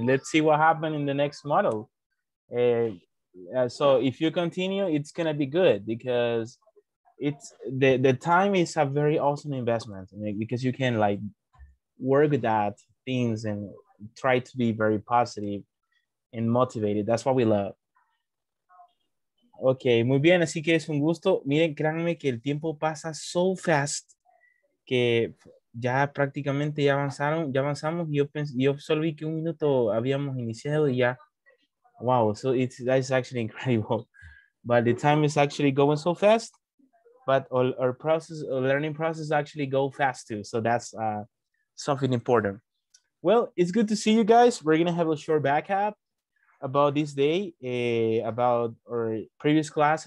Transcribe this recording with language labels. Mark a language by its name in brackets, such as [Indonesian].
[English] Let's see what happened in the next model. So if you continue, it's going to be good because it's the time is a very awesome investment, right? Because you can like work with that things and try to be very positive and motivated. That's what we love. Okay, [Spanish] muy bien. Así que es un gusto. Miren, créanme que el tiempo pasa [English] so fast [Spanish] que ya prácticamente ya avanzamos. Yo solo vi que un minuto habíamos iniciado y ya. [English] Wow, so that's actually incredible. But the time is actually going so fast, but our learning process actually go fast too. So that's something important. Well, it's good to see you guys. We're gonna have a short backup about this day, about our previous class.